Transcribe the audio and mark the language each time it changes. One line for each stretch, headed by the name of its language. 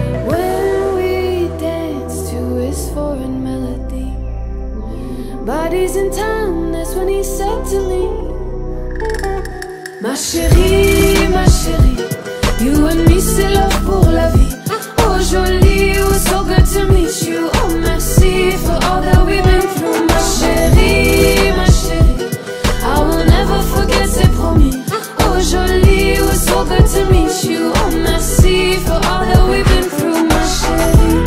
English: When we dance to his foreign melody, bodies in town, that's when he said to me.
French: Ma chérie, ma chérie,
English: you and me,
French: c'est love pour la vie.
English: Oh jolie, it was so good to meet you. Oh merci for all that we've been through.
French: Ma chérie, ma chérie,
English: I will never forget,
French: c'est promis.
English: Oh jolie, it was so good to meet you. Oh merci for all that we've been through.